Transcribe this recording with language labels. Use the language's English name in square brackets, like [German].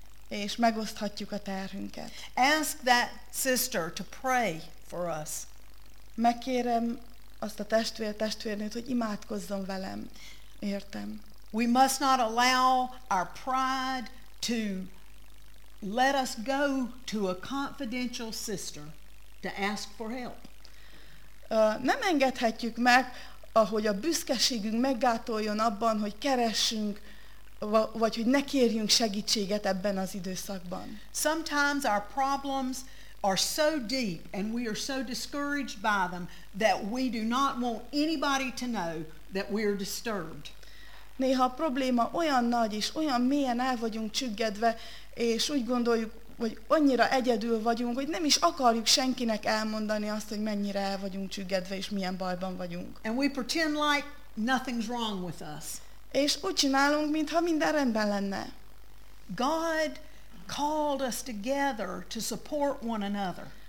[Hungarian] És megoszthatjuk a terhünket. [English] Ask that sister to pray for us. [Hungarian] Megkérem azt a testvérnőt, hogy imádkozzon velem. Értem. [English] We must not allow our pride to let us go to a confidential sister to ask for help. [Hungarian] Nem engedhetjük meg, ahogy a büszkeségünk meggátoljon abban, hogy keressünk vagy hogy ne kérjünk segítséget ebben az időszakban. [English] Sometimes our problems are so deep and we are so discouraged by them that we do not want anybody to know that we are disturbed. [Hungarian] Néha a probléma olyan nagy és olyan mélyen el vagyunk csüggedve, és úgy gondoljuk, hogy annyira egyedül vagyunk, hogy nem is akarjuk senkinek elmondani azt, hogy mennyire el vagyunk csüggedve és milyen bajban vagyunk. [English] And we pretend like nothing's wrong with us. [Hungarian] És úgy csinálunk, mintha minden rendben lenne. [English] God called us together to support one another.